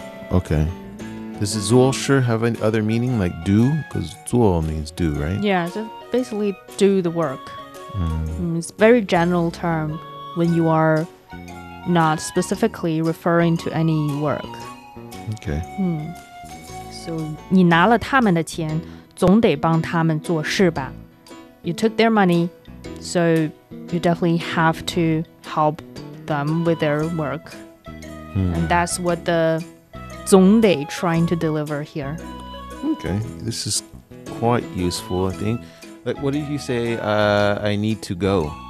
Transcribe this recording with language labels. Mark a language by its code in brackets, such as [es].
[en] Okay. Does 做事 have any other meaning, like do? Because 做 means do, right? Yeah, so basically do the work. It's a very general term when you are not specifically referring to any work. Okay. [zh] So, 你拿了他们的钱，总得帮他们做事吧。 [en] You took their money, so you definitely have to help them with their work. And that's what the 总得 trying to deliver here. Okay, this is quite useful, I think. Like, what if you say, I need to go?